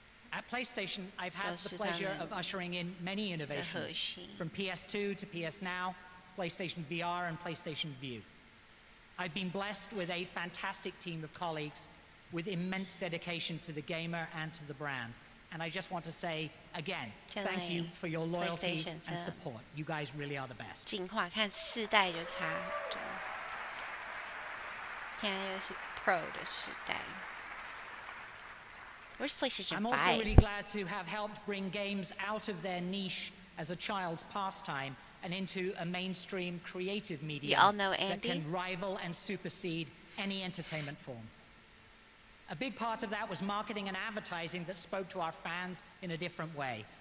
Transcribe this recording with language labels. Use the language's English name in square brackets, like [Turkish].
[English] At PlayStation, I've had the pleasure of ushering in many innovations, from PS2 to PS Now, PlayStation VR and PlayStation View. I've been blessed with a fantastic team of colleagues with immense dedication to the gamer and to the brand. And I just want to say again, thank you for your loyalty and support. You guys really are the best. [Chinese] 进化看四代就差很多，现在又是 Pro 的时代。 [English] Where's PlayStation 5? I'm also really glad to have helped bring games out of their niche as a child's pastime and into a mainstream creative medium you all know Andy? That can rival and supersede any entertainment form. A big part of that was marketing and advertising that spoke to our fans in a different way.